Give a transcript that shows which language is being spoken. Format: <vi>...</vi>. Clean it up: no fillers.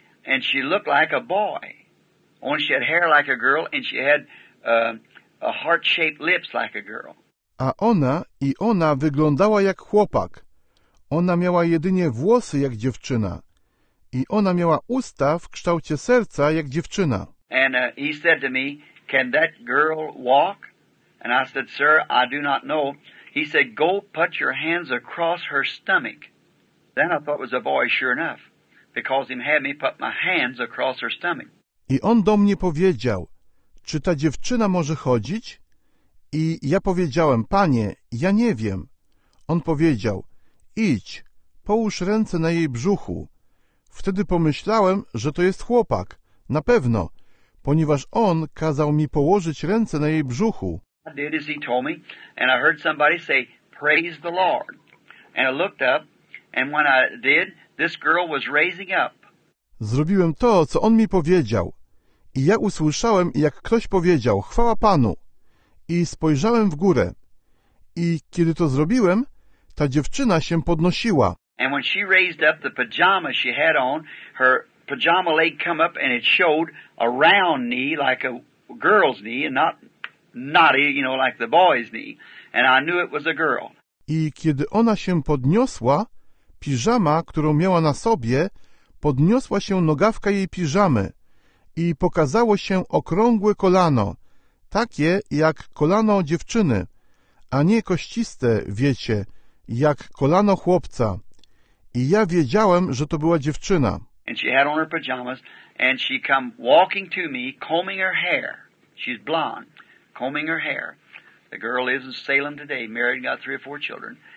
<en>And she looked like a boy. Only she had hair like a girl and she had a heart-shaped lips like a girl.</en> <pl>A ona wyglądała jak chłopak. Ona miała jedynie włosy jak dziewczyna. I ona miała usta w kształcie serca jak dziewczyna.</pl> <en>And he said to me, can that girl walk? And I said, sir, I do not know. He said, go put your hands across her stomach. Then I thought it was a boy, sure enough, because he had me put my hands across her stomach.</en> <pl>I on do mnie powiedział, czy ta dziewczyna może chodzić? I ja powiedziałem, panie, ja nie wiem. On powiedział, idź, połóż ręce na jej brzuchu. Wtedy pomyślałem, że to jest chłopak, na pewno, ponieważ on kazał mi położyć ręce na jej brzuchu.</pl> <en>I did as he told me, and I heard somebody say, praise the Lord. And I looked up, and when I did, this girl was raising up.</en> <pl>Zrobiłem to, co on mi powiedział. I ja usłyszałem, jak ktoś powiedział, chwała Panu. I spojrzałem w górę. I kiedy to zrobiłem, ta dziewczyna się podnosiła.</pl> <en>And when she raised up the pajama she had on, her pajama leg come up and it showed a round knee like a girl's knee and not knotty, you know, like the boy's knee. And I knew it was a girl.</en> <pl>I kiedy ona się podniosła, piżama, którą miała na sobie, podniosła się nogawka jej piżamy i pokazało się okrągłe kolano, takie jak kolano dziewczyny, a nie kościste, wiecie, jak kolano chłopca. I ja wiedziałem, że to była dziewczyna.</pl> <en>And she had on her pajamas, and she come walking to me, combing her hair. She's blonde, combing her hair. The girl lives in Salem today, married and got three or four children.</en>